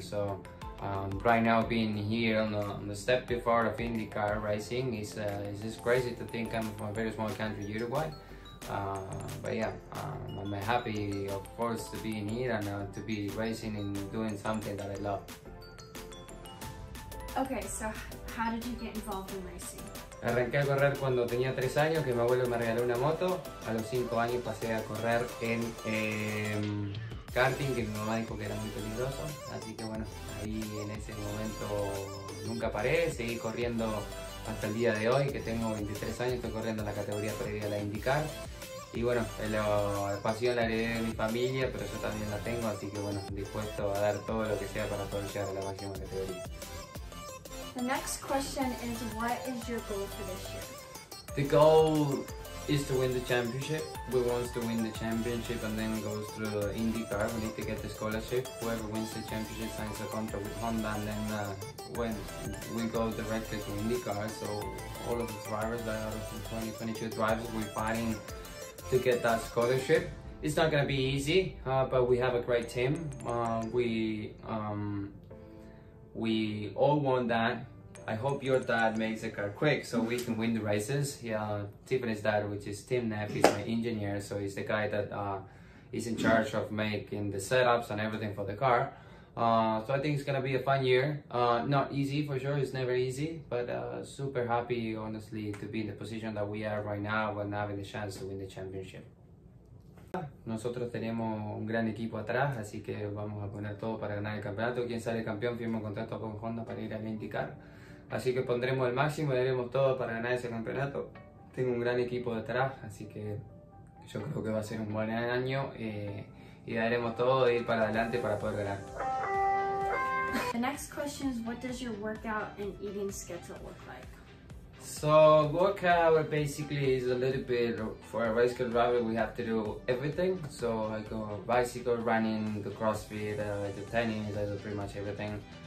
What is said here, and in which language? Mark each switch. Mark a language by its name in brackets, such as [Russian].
[English] So right now, being here on the step before of IndyCar racing, is just crazy to think I'm from a very small country, Uruguay. But yeah, I'm happy, of course, to be in here and to be racing and doing something that I love. Okay, so how did you get involved in racing? [Spanish] Arranqué a correr cuando tenía 3 años, que mi abuelo me regaló una moto. A los 5 años pasé a correr en karting, que mi mamá dijo que era muy peligroso. Así que bueno, ahí en ese momento nunca paré, seguí corriendo hasta el día de hoy, que tengo 23 años, estoy corriendo en la categoría previa a la IndyCar. Y bueno, la pasión la heredé de mi familia, pero yo también la tengo, así que bueno, dispuesto a dar todo lo que sea para poder llegar a la máxima categoría. [English] The next question is, what is your goal for this year? The goal is to win the championship. We want to win the championship and then goes to IndyCar. We need to get the scholarship. Whoever wins the championship signs a contract with Honda and then when we go directly to IndyCar. So all of the drivers that are the 2022 drivers, we're fighting to get that scholarship. It's not gonna be easy, but we have a great team. We all want that. I hope your dad makes the car quick so we can win the races. Yeah, Tiffany's dad, which is Tim Neff, is my engineer, so he's the guy that is in charge of making the setups and everything for the car. So I think it's gonna be a fun year. Not easy for sure, it's never easy, but super happy, honestly, to be in the position that we are right now and having the chance to win the championship. [Spanish] Nosotros tenemos un gran equipo atrás, así que vamos a poner todo para ganar el campeonato. Quien sale campeón firma un contrato con Honda para ir a IndyCar. Así que pondremos el máximo y daremos todo para ganar ese campeonato. Tengo un gran equipo detrás, así que yo creo que va a ser un buen año y daremos todo de ir para adelante para poder ganar. [English] The next question is, what does your workout and eating schedule look like? So workout basically is a little bit, for a bicycle driver we have to do everything. So I go bicycle, running, the CrossFit, the tennis, I do pretty much everything.